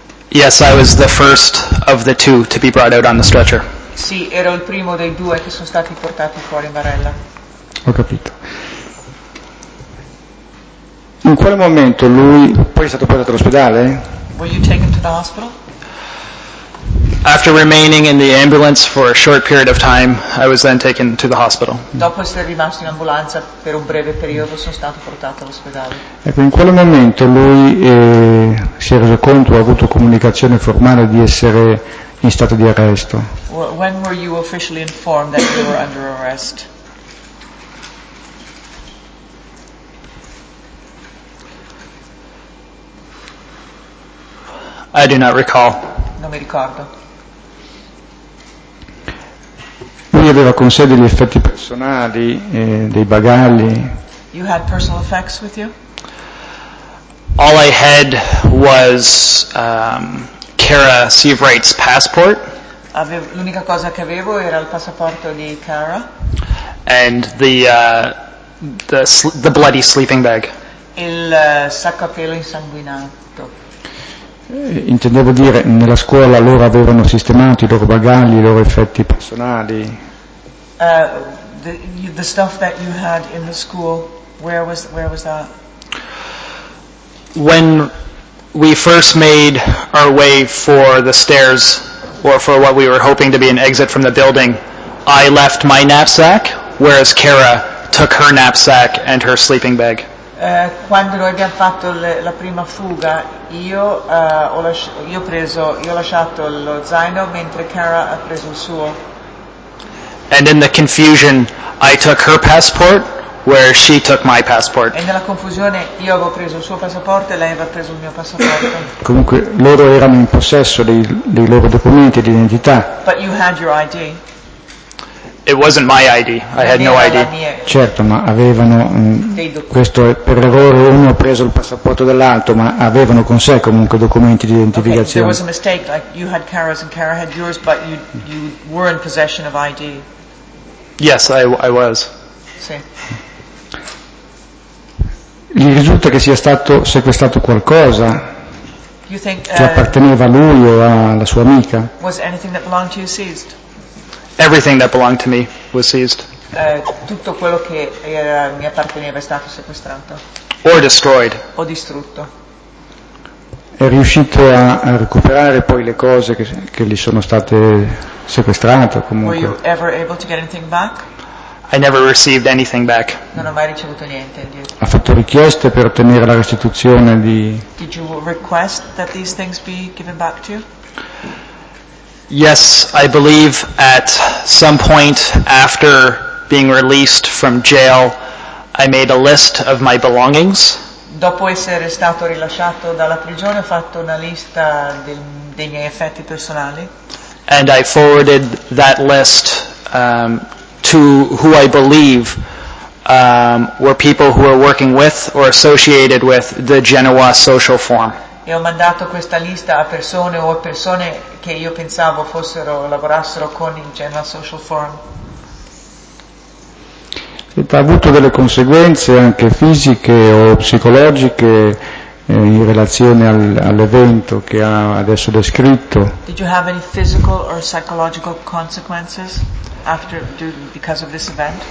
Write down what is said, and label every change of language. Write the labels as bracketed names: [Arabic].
[English] Yes, I was the first of the two to be brought out on the stretcher. [Italian] Sì, ero il primo dei due che sono stati portati fuori in barella. Ho capito. In quel momento lui poi è stato portato all'ospedale? [English] Were you taken to the hospital? After remaining in the ambulance for a short period of time, I was then taken to the hospital. [Italian] Dopo essere rimasto in ambulanza per un breve periodo, sono stato portato all'ospedale. Ecco, in quel momento lui si è reso conto, ha avuto comunicazione formale di essere in stato di arresto. [English] When were you officially informed that you were under arrest? I do not recall. [Italian] Non mi ricordo. Lui aveva con sé degli effetti personali, dei bagagli. [English] You had personal effects with you? All I had was Kara Sievright's passport. [Italian] L'unica cosa che avevo era il passaporto di Kara. [English] And the bloody sleeping bag. [Italian] Il sacco a pelo insanguinato. Intendevo dire, nella scuola loro avevano sistemato i loro bagagli, i loro effetti personali. [English] The stuff that you had in the school, where was that? When we first made our way for the stairs, or for what we were hoping to be an exit from the building, I left my knapsack, whereas Kara took her knapsack and her sleeping bag. [Italian] Quando noi abbiamo fatto la prima fuga, io ho lasciato lo zaino mentre Kara ha preso il suo. [English] And in the confusion, I took her passport, where she took my passport. [Italian] E nella confusione io avevo preso il suo passaporto e lei aveva preso il mio passaporto. Comunque loro erano in possesso dei loro documenti di identità. [English] But you had your ID. It wasn't my ID. I had no ID. [Italian] Certo, ma avevano questo per errore uno ha preso il passaporto dell'altro, ma avevano con sé comunque documenti di identificazione. [English] Okay, there was a mistake. Like you had Kara's and Kara had yours, but you were in possession of ID. Yes, I was. [Italian] Sì. gli risulta che sia stato sequestrato qualcosa che apparteneva a lui o alla sua amica? [English] Was anything that belonged to you seized? Everything that belonged to me was seized. [Italian] Tutto quello che era, mi apparteneva è stato sequestrato. [English] Or destroyed. [Italian] O distrutto. È riuscito a recuperare poi le cose che gli sono state sequestrate comunque? [English] Were you ever able to get anything back? I never received anything back. [Italian] Non ho mai ricevuto niente indietro. Ha fatto richieste per ottenere la restituzione di... [English] Did you request that these things be given back to you? Yes, I believe at some point after being released from jail, I made a list of my belongings. [Italian] Dopo essere stato rilasciato dalla prigione, ho fatto una lista dei miei effetti personali. [English] And I forwarded that list to who I believe were people who were working with or associated with the Genoa social form. [Italian] E ho mandato questa lista a persone o a persone che io pensavo fossero lavorassero con il Genoa social form. Ha avuto delle conseguenze anche fisiche o psicologiche in relazione all'evento che ha adesso descritto? [English] Did you have any physical or psychological consequences after because of this event?